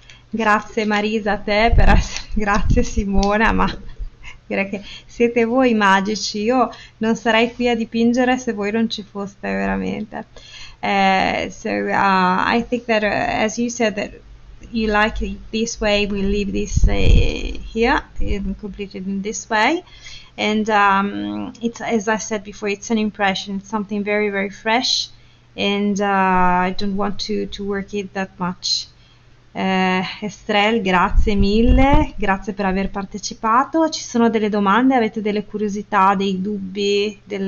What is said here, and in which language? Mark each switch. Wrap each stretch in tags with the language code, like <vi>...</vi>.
<it>Grazie Marisa a te per essere, grazie Simona, ma direi che siete voi magici. Io non sarei qui a dipingere se voi non ci foste veramente.</it> <en>I think that as you said that you like it this way, we leave this here and complete it in this way. And it's, as I said before, it's an impression, it's something very, very fresh, and I don't want to work it that much.</en> <it>Estrel, grazie mille, grazie per aver partecipato. Ci sono delle domande? Avete delle curiosità, dei dubbi?</it>